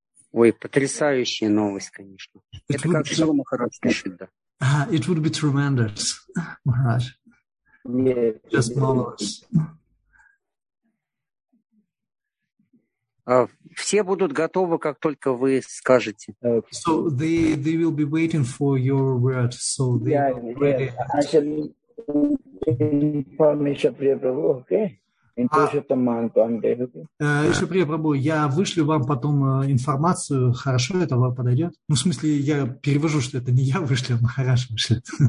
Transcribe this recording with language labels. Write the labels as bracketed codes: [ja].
[ru] Ой, потрясающая новость, конечно. Это как Шрила Махарадж пишет, да. [en] It would be tremendous, Maharaj. Yes. Just marvelous. [ru] Все будут готовы, как только вы скажете. [en] Okay. So they will be waiting for your word. So they yeah, are ready. Yeah. I shall [ru] Я вышлю вам потом информацию, хорошо, это вам подойдет? Ну, в смысле, я перевожу, что это не я вышлю, а Махарадж вышлет.